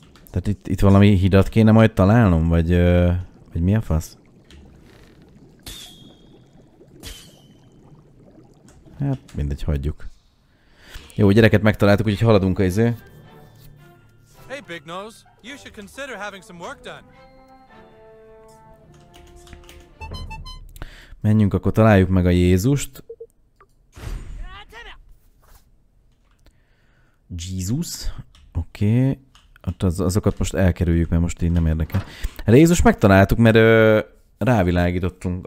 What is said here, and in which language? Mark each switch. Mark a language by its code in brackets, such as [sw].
[hu] Tehát itt valami hidat kéne majd találnom, vagy mi a fasz? Hát mindegy, hagyjuk. Jó, gyereket megtaláltuk, úgyhogy haladunk a izé. [en] Hey, Big Nose, you should consider having some work done. [hu] Menjünk, akkor találjuk meg a Jézust. Jézus, oké. Okay. Azokat most elkerüljük, mert most így nem érdekel. Jézus megtaláltuk, mert rávilágítottunk.